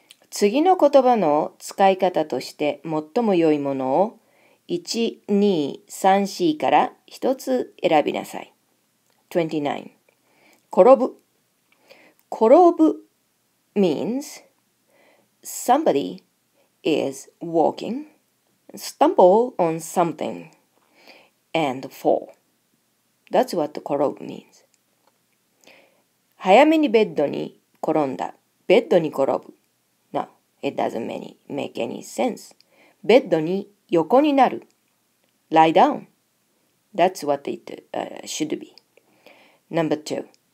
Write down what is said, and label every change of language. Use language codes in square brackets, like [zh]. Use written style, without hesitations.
[ja] 次の言葉の使い方として最も良いものを1、2、3、4から1つ選びなさい。 29。 転ぶ。転ぶ。 [en] Means somebody is walking, stumble on something, and fall. That's what korob means. [ja] 早めにベッドに転んだ。ベッドに転ぶ。 [en] No, it doesn't make any sense. [ja] ベッドに横になる。 [en] Lie down. That's what it should be. Number two.